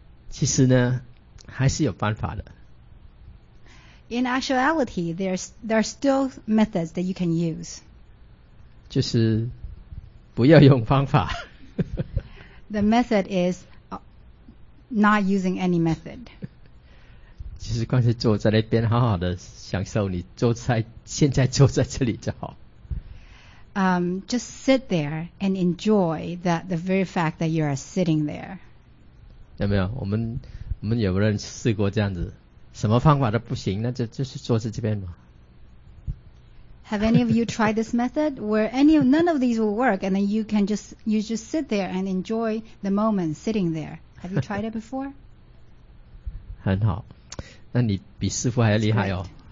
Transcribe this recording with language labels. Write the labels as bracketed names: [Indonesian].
[Chinese] 其实呢还是有办法的。 [English] In actuality, there are still methods that you can use. [Chinese] 就是不要用方法。 [English] The method is not using any method. [Chinese] 就是光是坐在那边好好的享受你坐在现在坐在这里就好。 [English] Just sit there and enjoy the very fact that you are sitting there. [Chinese] 有没有？我们有没有人试过这样子，什么方法都不行，那就是坐在这边嘛。 [English] Have any of you tried this method where none of these will work, and then you just sit there and enjoy the moment sitting there? Have you tried it before? [Chinese] 很好，那你比师傅还厉害哦。